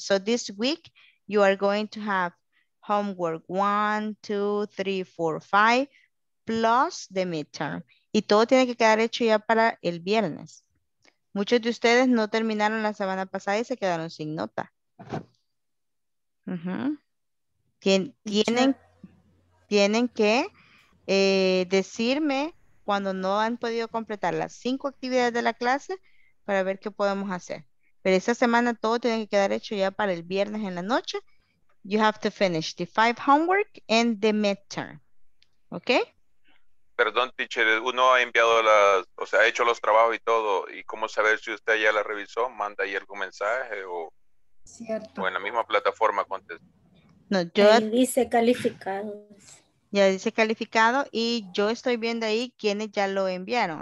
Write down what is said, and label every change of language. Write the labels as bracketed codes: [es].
[en] So this week, you are going to have homework 1, 2, 3, 4, 5, plus the midterm. [es] Y todo tiene que quedar hecho ya para el viernes. Muchos de ustedes no terminaron la semana pasada y se quedaron sin nota. Tienen que decirme cuando no han podido completar las 5 actividades de la clase para ver qué podemos hacer. Pero esta semana todo tiene que quedar hecho ya para el viernes en la noche. [en] You have to finish the 5 homework and the midterm. ¿Ok? [es] Perdón, teacher, uno ha enviado las, o sea, ha hecho los trabajos y todo. ¿Y cómo saber si usted ya la revisó? ¿Manda ahí algún mensaje o, cierto, o en la misma plataforma contesta? No, yo ahí dice calificado. Ya dice calificado y yo estoy viendo ahí quienes ya lo enviaron.